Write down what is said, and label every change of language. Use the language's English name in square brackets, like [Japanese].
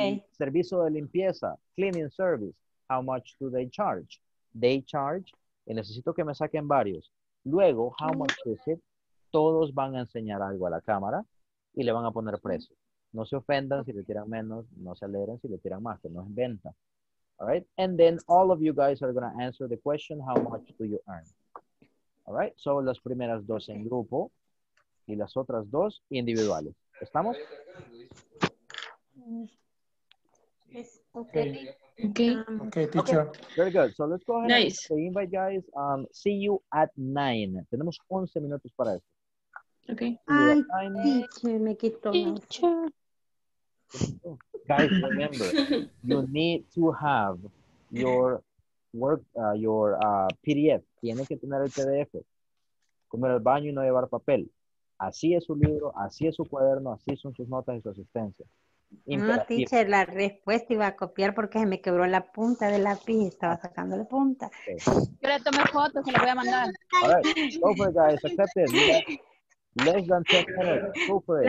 [Spanish] Servicio de limpieza, [English] cleaning service. How much do they charge? They charge, [Spanish] y necesito que me saquen varios. Luego, [English] how much is it? [Spanish] Todos van a enseñar algo a la cámara y le van a poner precio. No se ofendan si le tiran menos, no se alegren si le tiran más, que no es venta. All right? [English] And then all of you guys are going to answer the question, how much do you earn? All right? So, [Spanish] las primeras dos en grupo. Y las otras dos individuales. ¿Estamos? [English] Okay, teacher. Very good. So let's go ahead and invite guys. See you at 9. [Spanish] Tenemos 11 minutos para esto. [English] Okay. Ay, [Spanish] teacher, me quito. [English] Teacher. Guys, remember, you need to have your work, PDF. [Spanish] Tiene que tener el PDF. Comer al baño y no llevar papel. Así es su libro, así es su cuaderno, así son sus notas y su asistencia. Imperativo. No, teacher, la respuesta iba a copiar porque se me quebró la punta del lápiz y estaba sacando la punta. [English] Okay. [Spanish] Yo le tomé fotos, se la voy a mandar. [English] All right, go for it, guys, accept it. Less than 10 minutes, go for it.